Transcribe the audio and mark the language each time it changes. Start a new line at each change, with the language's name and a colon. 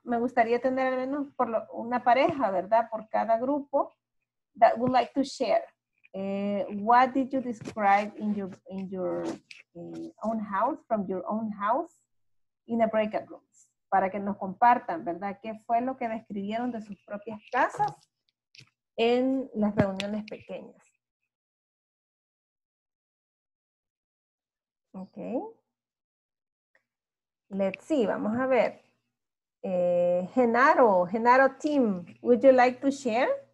Spanish: Me gustaría tener al menos por lo, una pareja, ¿verdad? Por cada grupo
English: that would like to share. What did you describe in your own house, from your own house, in a breakout room?
Spanish: Para que nos compartan, ¿verdad? ¿Qué fue lo que describieron de sus propias casas en las reuniones pequeñas?
English: Ok. Let's see,
Spanish: vamos a ver.
English: Genaro Team, would you like to share?